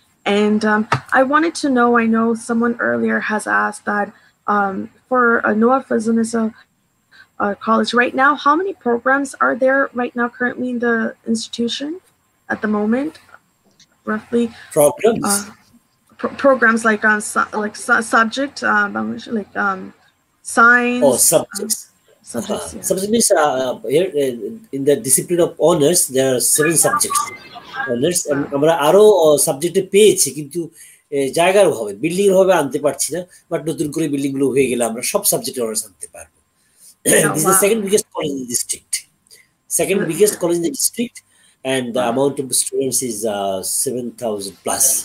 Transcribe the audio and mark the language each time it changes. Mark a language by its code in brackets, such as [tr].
[en] And I wanted to know, I know someone earlier has asked that for Noah Fazunisa College right now, how many programs are there right now currently in the institution at the moment, roughly? Programs? Programs like on subject, science. Oh, subjects. Subjects. Yeah. Subjects means here in the discipline of honors, there are 7 subjects. Honors. [bn] আমরা আরো subject পেয়েছি, কিন্তু জায়গার অভাবে, building এর অভাবে আনতে পারছি না, বাট নতুন করে বিল্ডিং গুলো হয়ে গেলে আমরা সব subject honors আনতে পারবো. [en] This is the second biggest college in the district. Second biggest college in the district. And the amount of students is 7,000 plus.